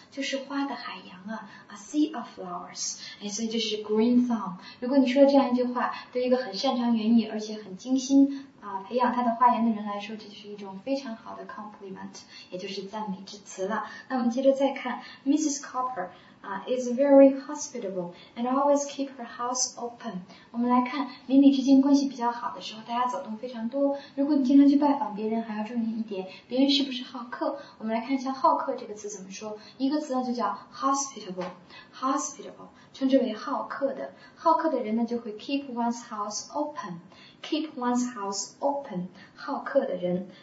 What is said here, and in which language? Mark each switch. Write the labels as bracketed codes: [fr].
[zh] 就是花的海洋啊 ， [en] a sea of flowers. [zh] 哎，所以这是 green thumb. 如果你说这样一句话，对一个很擅长园艺而且很精心啊、培养他的花园的人来说，这就是一种非常好的 compliment， 也就是赞美之词了。那我们接着再看 ，Mrs. Copper。 [en] is very hospitable and always keep her house open. [zh] 我们来看邻里之间关系比较好的时候，大家走动非常多。如果你经常去拜访别人，还要注意一点，别人是不是好客？我们来看一下好客这个词怎么说。一个词呢就叫 hospitable， hospitable 称之为好客的。好客的人呢就会 [en] keep one's house open， [zh] keep one's house open， 好客的人。